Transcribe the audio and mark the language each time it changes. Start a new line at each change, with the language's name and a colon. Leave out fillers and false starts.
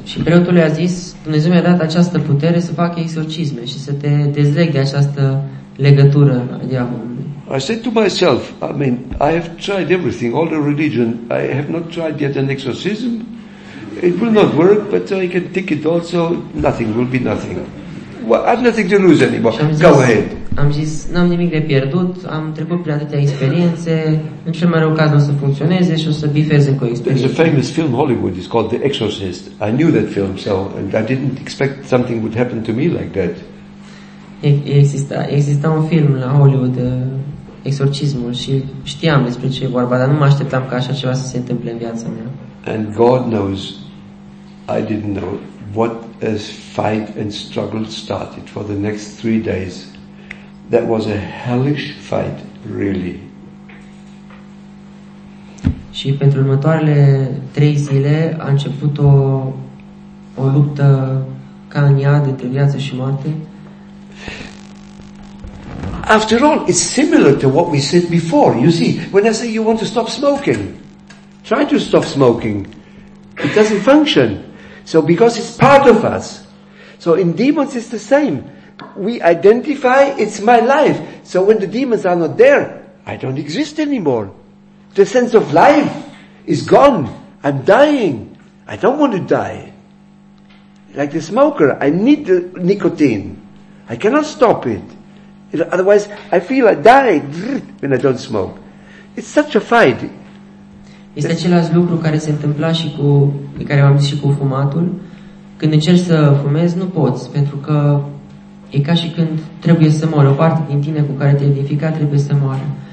Romanian: Și preotul i-a zis, Dumnezeu mi-a dat această putere să fac exorcisme și să te dezleg de această legătură a diavolului.
English: I said to myself, I mean, I have tried everything, all the religion, I have not tried yet an exorcism. It will not work, but I can take it also, nothing will be nothing. Well, I have nothing to lose anymore. Go ahead.
Romanian: Am zis, n-am nimic de pierdut, am trecut prin atâtea experiențe, în cel mai rău caz nu o să funcționeze și o să bifeze cu experiența.
English: There's a famous film in Hollywood, it's called The Exorcist. I knew that film, so and I didn't expect something would happen to me like that.
Romanian: Exista un film la Hollywood, Exorcismul, și știam despre ce e vorba, dar nu mă așteptam ca așa ceva să se întâmple în viața mea.
English: And God knows, I didn't know what a fight and struggle started for the next 3 days. That was a hellish fight, really.
Romanian: Și pentru următoarele 3 zile a început o luptă ca în iad între viață și moarte.
English: After all, it's similar to what we said before. You see, when I say you want to stop smoking, try to stop smoking. It doesn't function. So because it's part of us. So in demons it's the same. We identify, it's my life. So when the demons are not there, I don't exist anymore. The sense of life is gone. I'm dying. I don't want to die. Like the smoker, I need the nicotine. I cannot stop it. Otherwise, I feel I die when I don't smoke. It's such a fight.
Romanian: Este același lucru care se întâmpla și cu, pe care am zis și cu fumatul. Când încerci să fumezi, nu poți, pentru că e ca și când trebuie să moară. O parte din tine cu care te-ai identificat trebuie să moară.